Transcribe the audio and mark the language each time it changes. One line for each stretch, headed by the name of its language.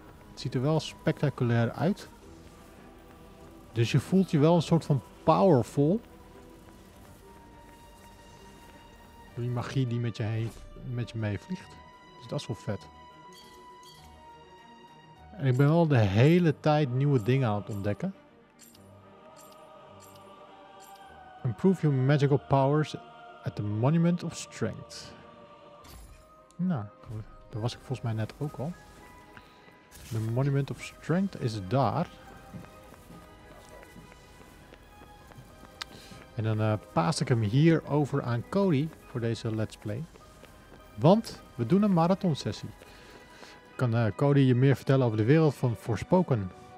Dutch: Het ziet er wel spectaculair uit. Dus je voelt je wel een soort van powerful. Die magie die met je meevliegt. Dus dat is wel vet. En ik ben wel de hele tijd nieuwe dingen aan het ontdekken.
English: Improve your magical powers at the Monument of Strength.
Dutch: Nou, daar was ik volgens mij net ook al. The Monument of Strength is daar. En dan paas ik hem hier over aan Cody voor deze Let's Play. Want we doen een marathon sessie. Kan Cody je meer vertellen over de wereld van Forspoken?